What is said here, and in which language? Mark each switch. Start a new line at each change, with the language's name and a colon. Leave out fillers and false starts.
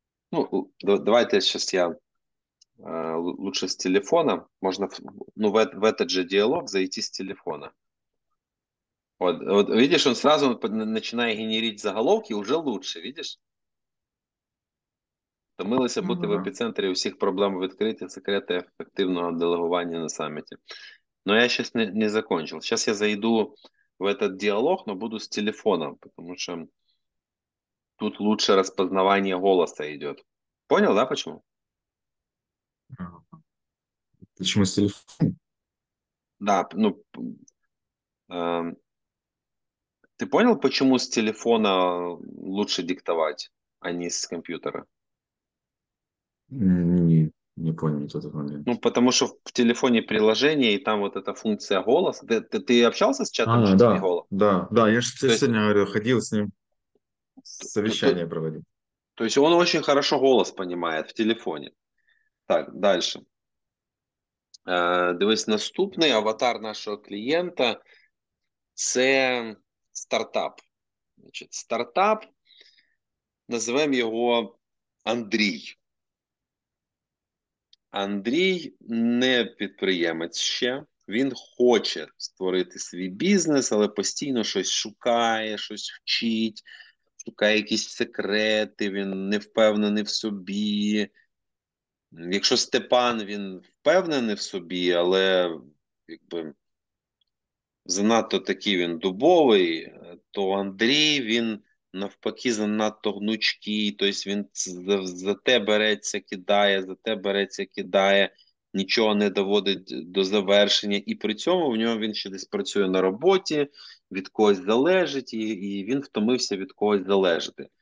Russian: Ну, давайте сейчас я лучше с телефона. Можно ну, в этот же диалог зайти с телефона. Вот, видишь, он сразу начинает генерить заголовки, уже лучше, видишь?
Ukrainian: Томилося бути в епіцентрі усіх проблем відкриття, секрети ефективного делегування на саміті.
Russian: Но я сейчас не закончил. Сейчас я зайду в этот диалог, но буду с телефоном, потому что тут лучше распознавание голоса идет. Понял, да, почему? Почему с телефоном? Да, ну... Ты понял, почему с телефона лучше диктовать, а не с компьютера? Не понял этот момент. Ну, потому что в телефоне приложение, и там вот эта функция голос. Ты общался с чатом GPT да, голос? Да, я же сегодня говорил, ходил с ним, совещание проводил. То есть он очень хорошо голос понимает в телефоне. Так, дальше.
Ukrainian: Дивись,
Russian: наступный аватар нашего клиента, это... стартап. Значит, стартап, называем его Андрій.
Ukrainian: Андрій не підприємець ще. Він хоче створити свій бізнес, але постійно щось шукає, щось вчить, шукає якісь секрети, він не впевнений в собі. Якщо Степан, він впевнений в собі, але якби занадто такий він дубовий, то Андрій, він навпаки занадто гнучкий, тобто він за те береться, кидає, за те береться, кидає, нічого не доводить до завершення, і при цьому в нього він ще десь працює на роботі, від когось залежить, і він втомився від когось залежати.